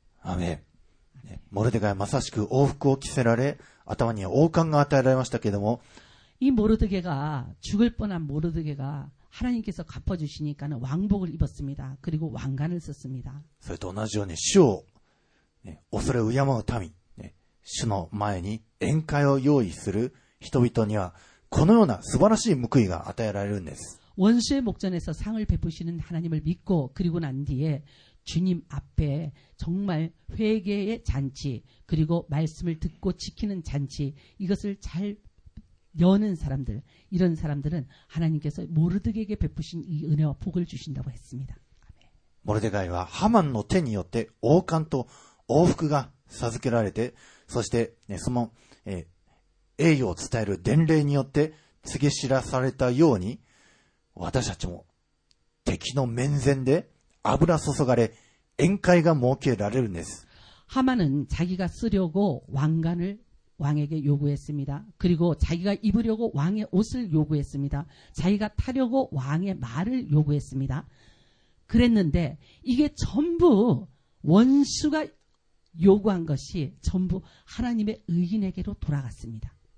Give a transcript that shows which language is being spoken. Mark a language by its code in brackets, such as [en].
[ko] 아멘、네、 [ja] 모르데가まさしく王服を着せられ頭には王冠が与えられましたけれども [ko] 이모르드게가죽을뻔한모르드게가하나님께서갚아주시니까는왕복을입었습니다그리고왕관을썼습니다 [ja] それと同じように主を、ね、恐れ敬う民、ね、主の前に宴会を用意する人々にはこのような素晴らしい報いが与えられるんです [ko] 원수의목전에서상을베푸시는하나님을믿고그리고난뒤에 주님 앞에 정말 회개의 잔치, 그리고 말씀을 듣고 지키는 잔치, 이것을 잘 여는 사람들, 이런 사람들은 하나님께서 모르드개에게 베푸신 이 은혜와 복을 주신다고 했습니다. [ja] 모르드개가 [ko] 하만의 손 [ja] によって [ko] 왕관과 왕복이 [ja] 授けられて, そしてその 栄誉を 伝える 伝令によって 告げ知らされたように 私たちも 敵の 面前で 油注がれ 宴会が 設けられるんです. [ko] 하만은 자기가 쓰려고 왕관을 왕에게 요구했습니다. 그리고 자기가 입으려고 왕의 옷을 요구했습니다. 자기가 타려고 왕의 말을 요구했습니다. 그랬는데 이게 전부 원수가 요구한 것이 전부 하나님의 의인에게로 돌아갔습니다.